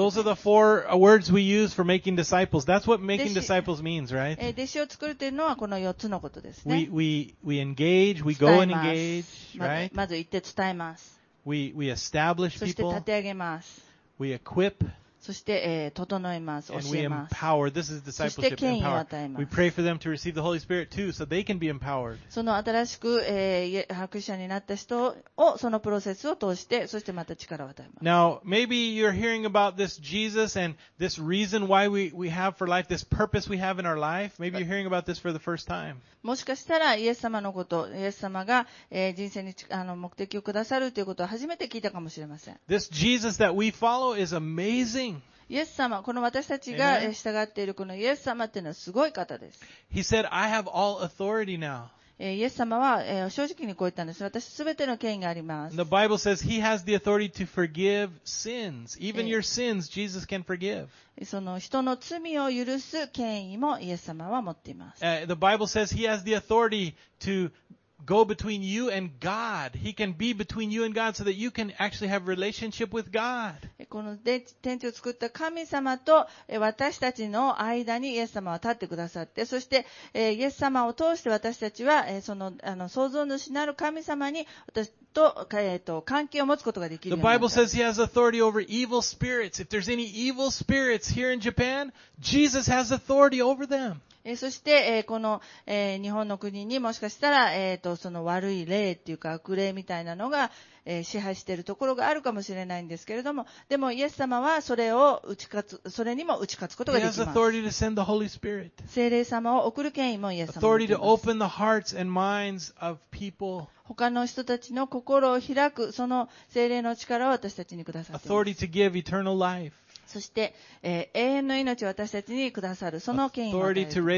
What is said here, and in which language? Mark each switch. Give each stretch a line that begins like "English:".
English: Those are the four words we use for making disciples. That's what making disciples means, right?
Japanese: 弟子を作るというのはこの4つのことですね。
English: We engage, we go and engage, right?
Japanese: まず行って伝えます。
English: We establish people.
Japanese: そして立て上げます。
English: We equip.
Japanese: そして、整えます。教えます。そして権威を与えます。
English: We pray for them to receive the Holy Spirit too, so they can be empowered.
Japanese: その新しく、迫者になった人をそのプロセスを通して、そしてまた力を与えます。
English: Now, maybe you're hearing about this Jesus and this reason why we have for life, this purpose we have in our life. Maybe you're hearing about this for the first time.
Japanese: もしかしたらイエス様のこと、イエス様が、人生に目的をくださるということを初めて聞いたかもしれません。
English: This Jesus that we follow is amazing.
Japanese: イエス様、この私たちが従っているこのイエス様というのはすごい方です。
English: He said, I have all authority now.
Japanese: イエス様は正直にこう言ったんです。私、すべての権威があります。
English: The Bible says he has the authority to forgive sins. Even your sins, Jesus can forgive.
Japanese: その人の罪を許す権威もイエス様は持っています。
English: The Bible says he has the authority to go between you and God. He can be between you and God so that you can actually have relationship with God.
Japanese: この天地を作った神様と私たちの間にイエス様は立ってくださって、そしてイエス様を通して私たちはその創造主なる神様に私と関係を持つことができる。
English: The Bible says he has authority over evil spirits. If there's any evil spirits here in Japan, Jesus has authority over them.
Japanese: そして、この、日本の国にもしかしたら、その悪い霊っていうか悪霊みたいなのが、支配しているところがあるかもしれないんですけれども、でもイエス様はそれを打ち勝つ、それにも打ち勝つことができます。
English: He has authority to send the Holy Spirit.
Japanese: 聖霊様を送る権威もイエス様は持っています
English: Authority to open the hearts and minds of people.
Japanese: 他の人たちの心を開く、その聖霊の力を私たちにくださっています。そして、永遠の命を私たちにくださる、その権威を与える。